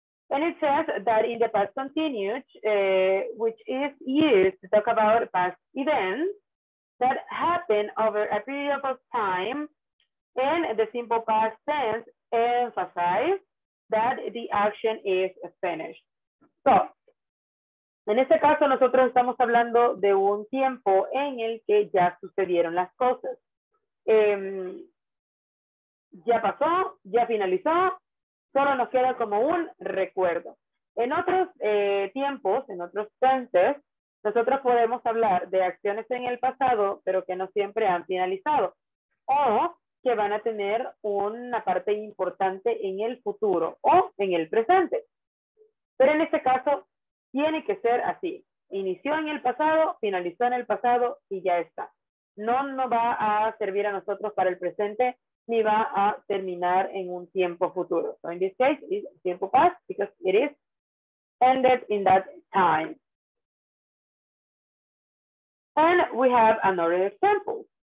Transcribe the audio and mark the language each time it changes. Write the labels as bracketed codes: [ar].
[en] And it says that in the past continuous, which is used to talk about past events that happened over a period of time, and the simple past tense emphasizes that the action is finished. [es] So, en este caso, nosotros estamos hablando de un tiempo en el que ya sucedieron las cosas. Ya pasó, ya finalizó, solo nos queda como un recuerdo. En otros tiempos, en otros tenses, nosotros podemos hablar de acciones en el pasado, pero que no siempre han finalizado. O que van a tener una parte importante en el futuro o en el presente. Pero en este caso, tiene que ser así. Inició en el pasado, finalizó en el pasado y ya está. No nos va a servir a nosotros para el presente ni va a terminar en un tiempo futuro. [en] So in this case, it's tiempo past because it is ended in that time. And we have another example.